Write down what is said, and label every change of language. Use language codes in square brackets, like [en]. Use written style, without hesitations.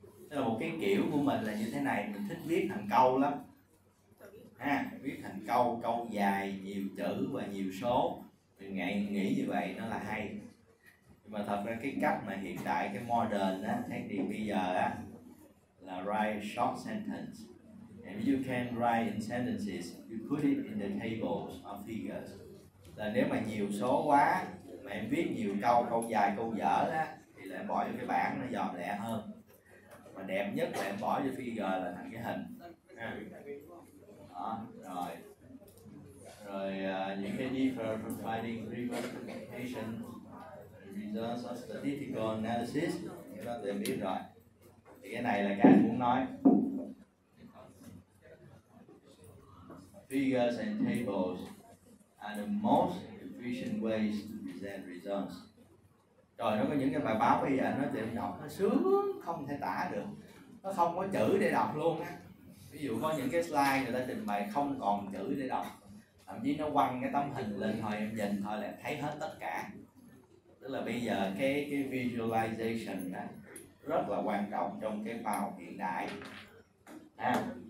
[vi] Tức là một cái kiểu của mình là như thế này, mình thích viết thành câu lắm. Ha, viết thành câu, câu dài, nhiều chữ và nhiều số. Mình nghĩ như vậy nó là hay. Nhưng mà thật ra cái cách mà hiện đại, cái modern á, thay vì bây giờ á, là [en] write short sentence. And you can write in sentences, you put it in the tables or figures. [vi] Là nếu mà nhiều số quá, mà em viết nhiều câu, câu dài, câu dở á, thì lại bỏ vô cái bảng nó dòm lẹ hơn. Mà đẹp nhất là em bỏ vô figure là thành cái hình. Đó, rồi. Rồi những cái [en] differ from finding representation results of statistical analysis, [vi] các bạn đều biết rồi. Thì cái này là cái muốn nói. [en] Figures and tables are the most efficient ways to present results. [vi] Trời, nó có những cái bài báo bây giờ nó tìm đọc nó sướng không thể tả được. Nó không có chữ để đọc luôn á. Ví dụ có những cái slide người ta trình bày không còn chữ để đọc, thậm chí nó quăng cái tấm hình lên thôi, em nhìn thôi là thấy hết tất cả. Tức là bây giờ cái visualization đó rất là quan trọng trong cái khoa học hiện đại à.